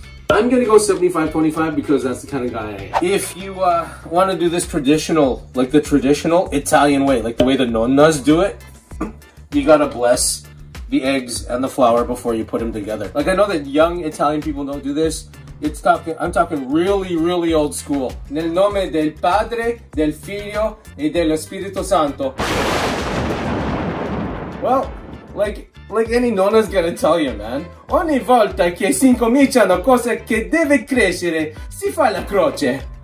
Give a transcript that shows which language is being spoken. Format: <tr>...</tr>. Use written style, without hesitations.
<en>I'm going to go 75-25 because that's the kind of guy I am. If you want to do this traditional, like the traditional Italian way, like the way the nonnas do it, you got to bless the eggs and the flour before you put them together. Like, I know that young Italian people don't do this. I'm talking really, really old school.</en> <it>Nel nome del Padre, del Figlio, e dello Spirito Santo.</it> <en>Well, like any nonna's gonna tell you, man.</en> <it>Ogni volta che si incomincia una cosa che deve crescere, si fa la croce.</it>